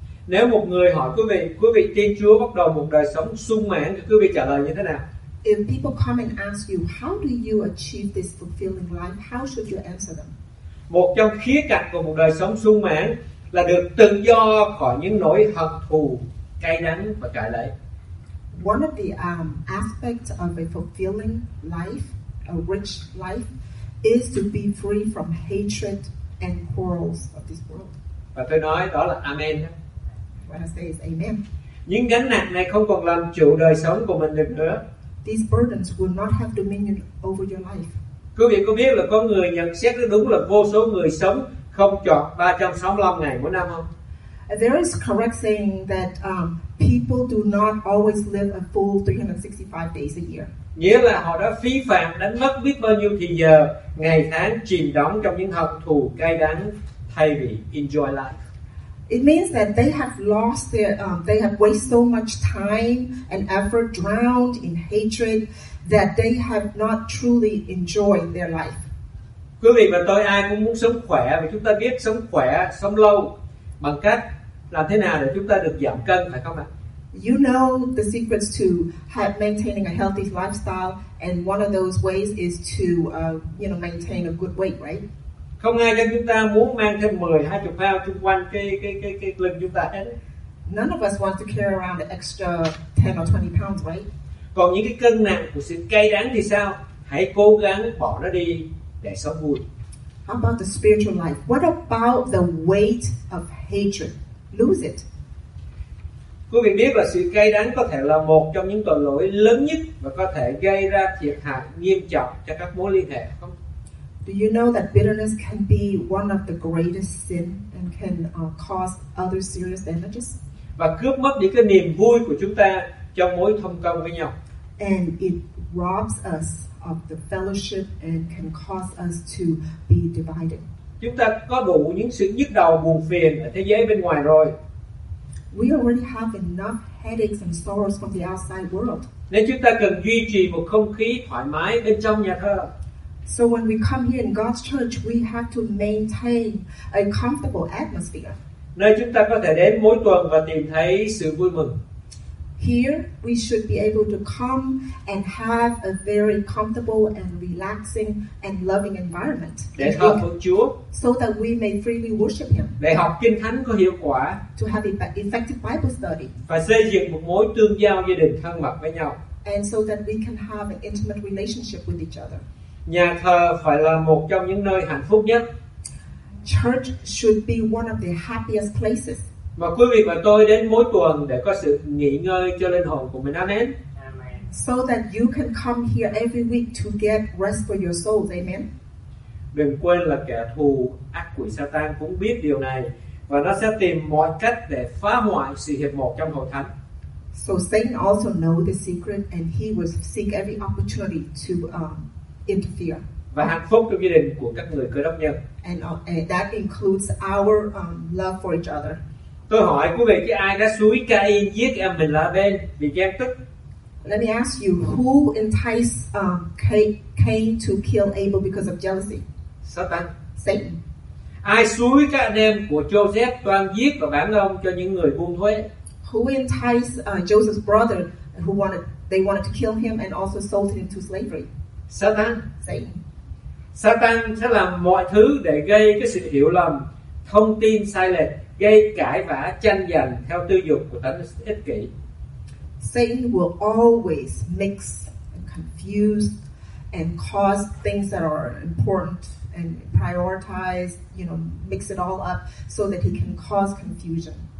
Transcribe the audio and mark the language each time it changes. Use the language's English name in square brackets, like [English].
[Vietnamese] Nếu một người hỏi quý vị tin Chúa bắt đầu một đời sống sung mãn thì quý vị trả lời như thế nào? [English] If people come and ask you, how do you achieve this fulfilling life? How should you answer them? [Vietnamese] Một trong khía cạnh của một đời sống sung mãn là được tự do khỏi những nỗi hận thù, cay đắng và cãi lẫy. [English] One of the aspects of a fulfilling life, a rich life, is to be free from hatred and quarrels of this world. [Vietnamese] Và tôi nói đó là amen. [English] What I say is amen. [Vietnamese] Những gánh nặng này không còn làm chủ đời sống của mình được nữa. [English] These burdens will not have dominion over your life. [Vietnamese] Quý vị có biết là có người nhận xét đúng là vô số người sống không chọn 365 ngày mỗi năm không? [English] There is correct saying that people do not always live a full 365 days a year. [Vietnamese] Nghĩa là họ đã phí phạm, đánh mất biết bao nhiêu thì giờ, ngày tháng chìm đắm trong những hận thù cay đắng thay vì [English] enjoy life. It means that they have lost their, they have wasted so much time and effort, drowned in hatred, that they have not truly enjoyed their life. [Vietnamese] Quý vị và tôi ai cũng muốn sống khỏe, và chúng ta biết sống khỏe, sống lâu bằng cách làm thế nào để chúng ta được giảm cân, phải không ạ? [English] You know the secrets to have maintaining a healthy lifestyle, and one of those ways is to maintain a good weight, right? [Vietnamese] Không ai trong chúng ta muốn mang thêm 10, 20 pound xung quanh cái lưng chúng ta hết. [English] None of us want to carry around the extra 10 or 20 pounds, right? [Vietnamese] Còn những cái cân nặng của sự cay đắng thì sao? Hãy cố gắng bỏ nó đi để sống vui. [English] How about the spiritual life? What about the weight of hatred? Lose it. [Vietnamese] Quý vị biết là sự cay đắng có thể là một trong những tội lỗi lớn nhất và có thể gây ra thiệt hại nghiêm trọng cho các mối liên hệ không? [English] Do you know that bitterness can be one of the greatest sin and can cause other serious damages? [Vietnamese] Và cướp mất những cái niềm vui của chúng ta trong mối thông công với nhau. [English] And it robs us of the fellowship and can cause us to be divided. [Vietnamese] Chúng ta có đủ những sự nhức đầu buồn phiền ở thế giới bên ngoài rồi. [English] We already have enough headaches and sorrows from the outside world. [Vietnamese] Nên chúng ta cần duy trì một không khí thoải mái bên trong nhà thờ. [English] So when we come here in God's church, we have to maintain a comfortable atmosphere. [Vietnamese] Nơi chúng ta có thể đến mỗi tuần và tìm thấy sự vui mừng. [English] Here, we should be able to come and have a very comfortable and relaxing and loving environment. [Vietnamese] Để thờ phượng Chúa. [English] So that we may freely worship Him. [Vietnamese] Để học Kinh Thánh có hiệu quả. [English] To have effective Bible study. [Vietnamese] Và xây dựng một mối tương giao gia đình thân mật với nhau. [English] And so that we can have an intimate relationship with each other. [Vietnamese] Nhà thờ phải là một trong những nơi hạnh phúc nhất. [English] Church should be one of the happiest places. [Vietnamese] Và quý vị và tôi đến mỗi tuần để có sự nghỉ ngơi cho linh hồn của mình. [English] Amen. So that you can come here every week to get rest for your souls. Amen. [Vietnamese] Đừng quên là kẻ thù ác quỷ Satan cũng biết điều này và nó sẽ tìm mọi cách để phá hoại sự hiệp một trong hội thánh. [English] So Satan also know the secret and he will seek every opportunity to interfere. [Vietnamese] Và hạnh phúc trong gia đình của các người Cơ Đốc nhân. [English] And that includes our love for each other. [Vietnamese] Tôi hỏi quý vị, chứ ai đã xúi Cain giết em mình là Abel vì ghen tức? [English] Let me ask you, who enticed Cain to kill Abel because of jealousy? [Vietnamese] Satan. [English] Satan. [Vietnamese] Ai xúi các anh em của Joseph toàn giết và bán ông cho những người buôn thuế? [English] Who enticed Joseph's brother who wanted to kill him and also sold him to slavery? [Vietnamese] Satan. [English] Satan. [Vietnamese] Satan sẽ làm mọi thứ để gây cái sự hiểu lầm, thông tin sai lệch, gây cãi vã, tranh giành theo tư dục của tánh ích kỷ. [English] Satan will always mix and confuse and cause things that are important and prioritize, you know, mix it all up so that he can cause confusion.